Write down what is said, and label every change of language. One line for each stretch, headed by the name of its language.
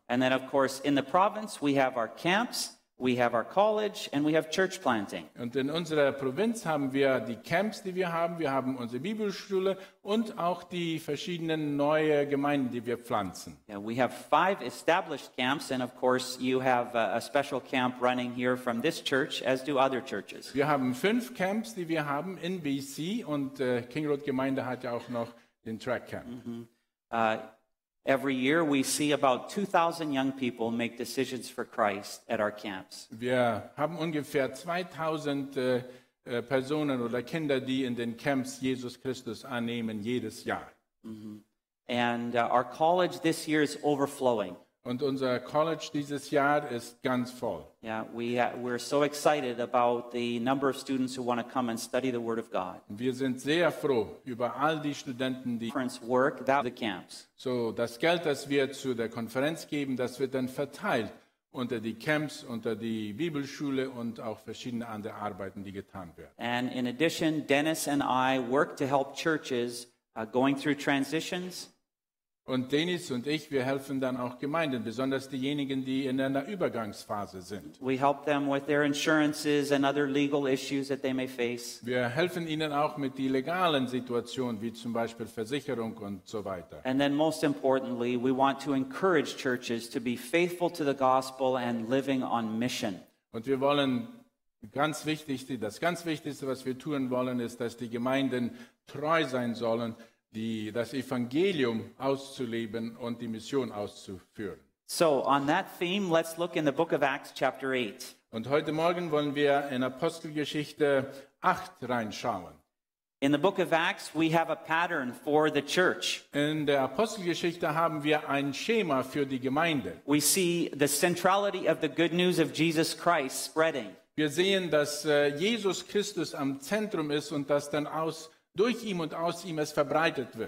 English: And then, of course, in the province, we have our camps, we have our college, and we have church planting.
German: Und in unserer Provinz haben wir die Camps, die wir haben unsere Bibelschule und auch die verschiedenen neue Gemeinden, die wir pflanzen.
English: Yeah, we have 5 established camps, and of course, you have a special camp running here from this church, as do other churches.
German: Wir haben 5 Camps, die wir haben in BC, und King Road Gemeinde hat ja auch noch den Track Camp. Mm-hmm.
English: Every year we see about 2,000 young people make decisions for Christ at our camps.
German: Wir haben ungefähr 2,000 Personen oder Kinder, die in den Camps Jesus Christus annehmen jedes Jahr. Mm-hmm.
English: And our college this year is overflowing.
German: Und unser College dieses Jahr ist ganz voll.
English: Yeah, we're so excited about the number of students who want to come and study the Word of God.
German: Wir sind sehr froh über all die Studenten, die
English: Conference work that the camps.
German: So das Geld, das wir zu der Konferenz geben, das wird dann verteilt unter die Camps, unter die Bibelschule und auch verschiedene andere Arbeiten, die getan werden.
English: And in addition, Dennis and I work to help churches going through transitions.
German: Und Dennis und ich, wir helfen dann auch Gemeinden, besonders diejenigen, die in einer Übergangsphase sind.
English: We help them with their insurances and other legal issues that they may face.
German: Wir helfen ihnen auch mit den legalen Situationen, wie zum Beispiel Versicherung und so weiter.
English: And then most importantly, we want to encourage churches to be faithful to the gospel and living on mission.
German: Und wir wollen ganz wichtig, das ganz Wichtigste, was wir tun wollen, ist, dass die Gemeinden treu sein sollen, das Evangelium auszuleben und die Mission auszuführen.
English: So, on that theme, let's look in the book of Acts, chapter 8.
German: Und heute Morgen wollen wir in Apostelgeschichte 8 reinschauen.
English: In the book of Acts, we have a pattern for the church.
German: In der Apostelgeschichte haben wir ein Schema für die Gemeinde.
English: We see the centrality of the good news of Jesus Christ spreading.
German: Wir sehen, dass Jesus Christus am Zentrum ist und das dann aus durch ihn und aus ihm es verbreitet wird.